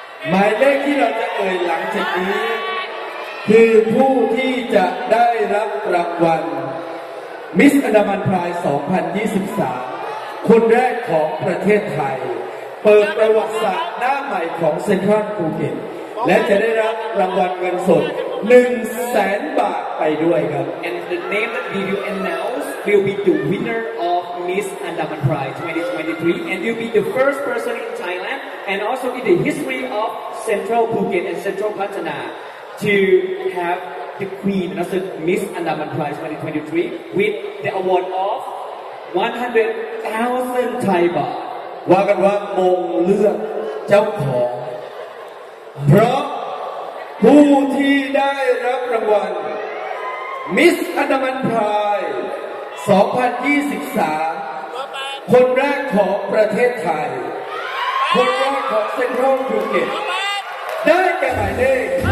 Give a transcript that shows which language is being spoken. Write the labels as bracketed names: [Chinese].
[Thai] หมายเลขที่เราจะเอ่ยหลังจากนี้คือผู้ที่จะได้รับรางวัลมิสอันดามันไพร์2023คนแรกของประเทศไทยเปิดประวัติศาสตร์หน้าใหม่ของเซ็นทรัลภูเก็ตและจะได้รับรางวัลเงินสด 100,000 บาทไปด้วยครับ [English] And the name that you announce will be the winner of Miss Andaman Prize 2023 and you'll be the first person in Thailandand also in the history of Central Phuket and Central Pattaya to have the queen and also Miss Andaman Prize 2023 with the award of 100,000 Thai baht [Thai] ว่ากันว่ามงเลือกเจ้าของเพราะผู้ที่ได้รับรางวัล Miss Andaman Prize 2023คนแรกของประเทศไทยคนแรกของเซ็นทรัลภูเก็ตได้แก่หมายเลข